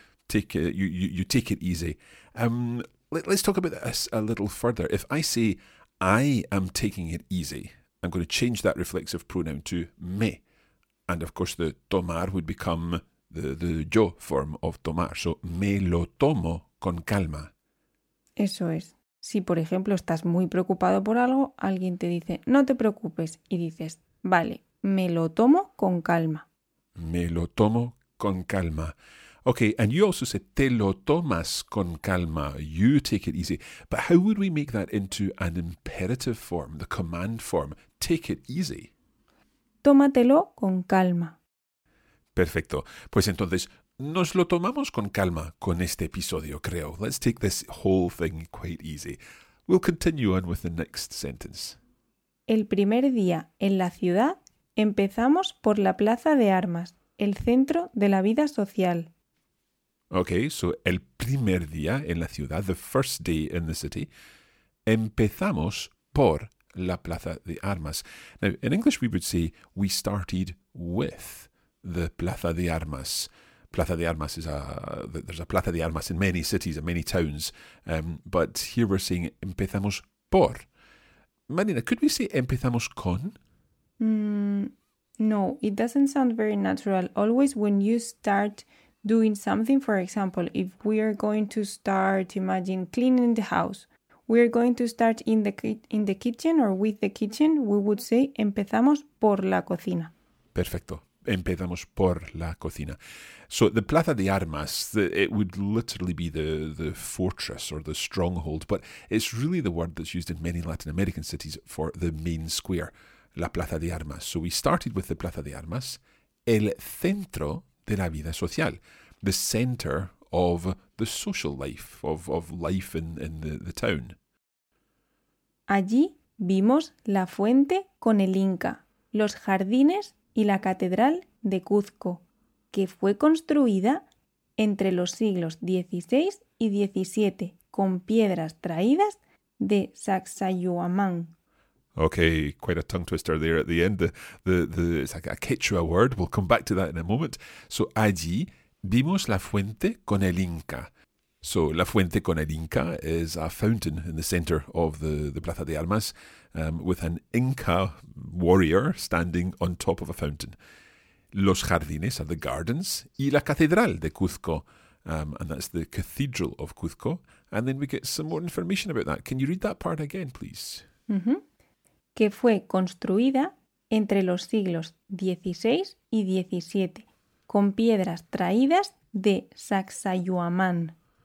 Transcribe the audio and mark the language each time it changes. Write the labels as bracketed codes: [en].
[en] You take it easy. Let's talk about this a little further. If I say I am taking it easy, I'm going to change that reflexive pronoun to me. And of course, the tomar would become the yo form of tomar. [es] So, me lo tomo con calma. Eso es. Si, por ejemplo, estás muy preocupado por algo, alguien te dice, no te preocupes, y dices, vale, me lo tomo con calma. Me lo tomo con calma. [en] Okay, and you also said, [es] te lo tomas con calma, [en] you take it easy. But how would we make that into an imperative form, the command form, take it easy? [es] Tómatelo con calma. Perfecto. Pues entonces, nos lo tomamos con calma con este episodio, creo. [en] Let's take this whole thing quite easy. We'll continue on with the next sentence. [es] El primer día en la ciudad empezamos por la Plaza de Armas, el centro de la vida social. [en] Okay, so [es] el primer día en la ciudad, [en] the first day in the city, [es] empezamos por la Plaza de Armas. [en] Now, in English we would say we started with the Plaza de Armas. Plaza de Armas is there's a Plaza de Armas in many cities, in many towns. But here we're saying [es] empezamos por. [en] Marina, could we say [es] empezamos con? [en] No, it doesn't sound very natural. Always when you start doing something, for example, if we are going to start, imagine, cleaning the house, we're going to start in the kitchen or with the kitchen, we would say [es] empezamos por la cocina. Perfecto. Empezamos por la cocina. [en] So the Plaza de Armas, it would literally be the fortress or the stronghold, but it's really the word that's used in many Latin American cities for the main square, la Plaza de Armas. So we started with the Plaza de Armas, [es] el centro de la vida social, [en] the center of the social life, of life in the town. [es] Allí vimos la fuente con el Inca, los jardines y la catedral de Cuzco, que fue construida entre los siglos XVI y XVII con piedras traídas de Sacsayhuamán. [en] Okay, quite a tongue twister there at the end. It's like a Quechua word. We'll come back to that in a moment. So [es] allí vimos la fuente con el Inca. [en] So La Fuente con el Inca is a fountain in the centre of the Plaza de Armas, with an Inca warrior standing on top of a fountain. Los Jardines are the gardens, y la Catedral de Cuzco, and that's the Cathedral of Cuzco. And then we get some more information about that. Can you read that part again, please? Mm-hmm. [es] Que fue construida entre los siglos XVI y XVII con piedras traídas de Sacsayhuamán.